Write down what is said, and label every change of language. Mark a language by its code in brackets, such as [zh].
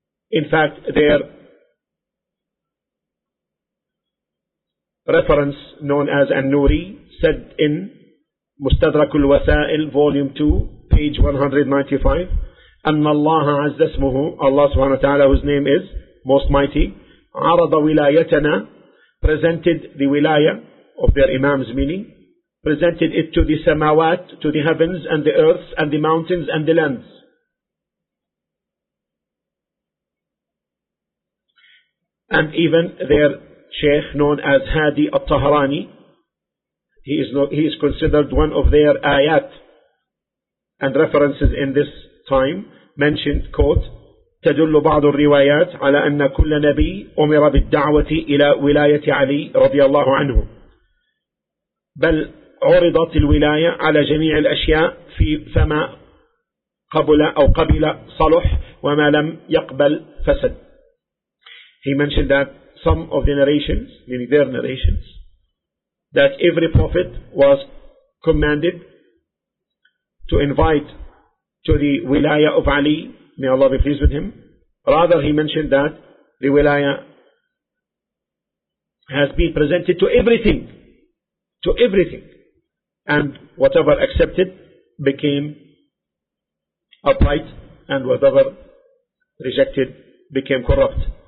[en] In fact, their reference known as An-Nuri said in Mustadrak al-Wasail, volume 2, page 195, [ar] أَنَّ اللَّهَ عَزَّ اسْمُهُ, [en] Allah subhanahu wa ta'ala, whose name is Most Mighty, [ar] عَرَضَ وِلَايَتَنَا, [en] presented the wilaya of their imams, meaning presented it to the samawat, to the heavens and the earths and the mountains and the lands. And even their Sheikh known as Hadi al-Tahrani, he is considered one of their ayat and references in this time, mentioned, quote, [ar] تدل بعض الروايات على أن كل نبي أمر بالدعوة إلى ولاية علي رضي الله عنه بل عرضت الولاية على جميع الأشياء في فما قبل أو قبل صلح وما لم يقبل فسد. [en] He mentioned that some of the narrations, meaning their narrations, that every prophet was commanded to invite to the wilaya of Ali, may Allah be pleased with him. Rather, he mentioned that the wilaya has been presented to everything, and whatever accepted became upright, and whatever rejected became corrupt.